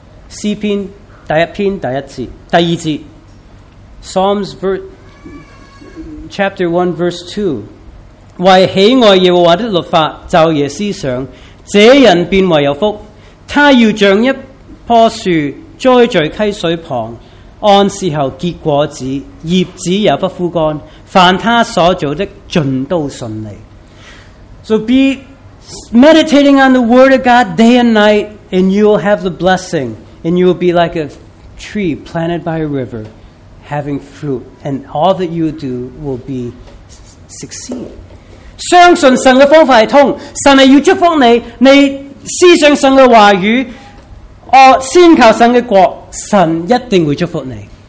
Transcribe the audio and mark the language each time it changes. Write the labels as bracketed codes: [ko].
[zh] 诗篇第一篇第一节，第二节 ， [en] Psalms chapter 1 verse 2， [zh] 为喜爱耶和华的律法，昼夜思想，这人便为有福。他要像一棵树栽在溪水旁，按时候结果子，叶子也不枯干，凡他所做的尽都顺利。 [en] So be meditating on the word of God day and night, and you will have the blessing, and you will be like a tree planted by a river having fruit, and all that you do will be succeed. [zh] 相信神的方法是通，神是要祝福你，你思想神的话语，先求神的国，神一定会祝福你。